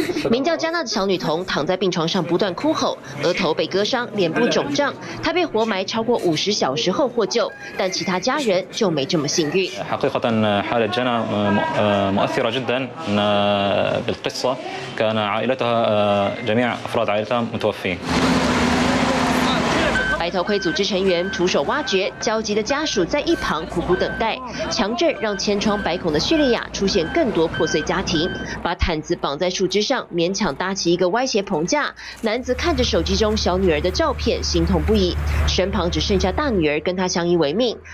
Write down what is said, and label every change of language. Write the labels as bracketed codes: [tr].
[zh] 名叫加纳的小女童躺在病床上不断哭吼，额头被割伤，脸部肿胀。她被活埋超过50小时后获救，但其他家人就没这么幸运。 [ar] حقيقة حالة جنى مؤثرة جدا بالقصة كان عائلتها جميع أفراد عائلتها متوفين. [zh] 白头盔组织成员徒手挖掘，焦急的家属在一旁苦苦等待。强震让千疮百孔的叙利亚出现更多破碎家庭，把毯子绑在树枝上，勉强搭起一个歪斜棚架。男子看着手机中小女儿的照片，心痛不已。身旁只剩下大女儿跟他相依为命。